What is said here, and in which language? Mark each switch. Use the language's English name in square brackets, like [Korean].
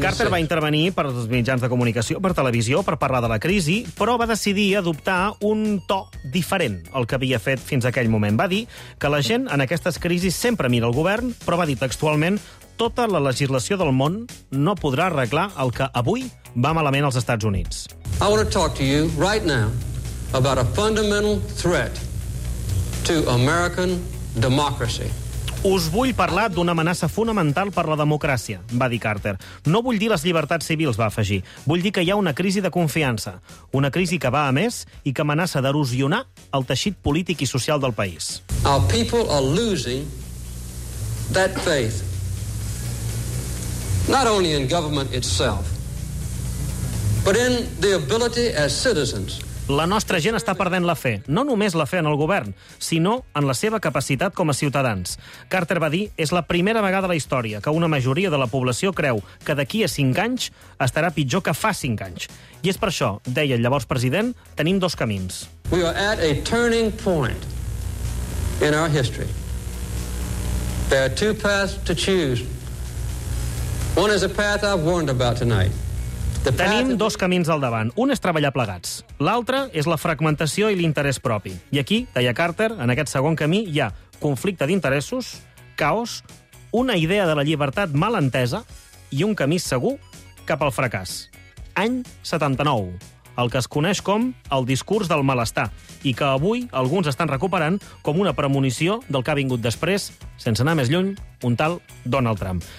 [Catalan] Carter va intervenir per als mitjans de comunicació, per televisió, per parlar de la crisi, però va decidir adoptar un to diferent al que havia fet fins aquell moment. Va dir que la gent en aquestes crisis sempre mira el govern, però va dir textualment: tota la legislació del món no podrà arreglar el que avui va malament als Estats Units. [English] I want to talk to you right now about a fundamental threat to American democracy. [Catalan] Us vull parlar d'una amenaça fonamental per la democràcia, va dir Carter. No vull dir les llibertats civils, va afegir. Vull dir que hi ha una crisi de confiança. Una crisi que va a més i que amenaça d'erosionar el teixit polític i social del país. [English] Our people are losing that faith. Not only in government itself, but in the ability as citizens. [Catalan] La nostra gent està perdent la fe, no només la fe en el govern, sinó en la seva capacitat com a ciutadans. Carter va dir: és la primera vegada a la història que una majoria de la població creu que d'aquí a 5 anys estarà pitjor que fa 5 anys. I és per això, deia el llavors president, tenim dos camins. [English] We are at a turning point in our history. There are two paths to choose. One is a path I've warned about tonight. [Catalan] Tenim dos camins al davant. Un és treballar plegats. L'altre és la fragmentació i l'interès propi. I aquí, deia Carter, en aquest segon camí hi ha conflicte d'interessos, caos, una idea de la llibertat mal entesa i un camí segur cap al fracàs. Any 79, el que es coneix com el discurs del malestar i que avui alguns estan recuperant com una premonició del que ha vingut després, sense anar més lluny, un tal Donald Trump.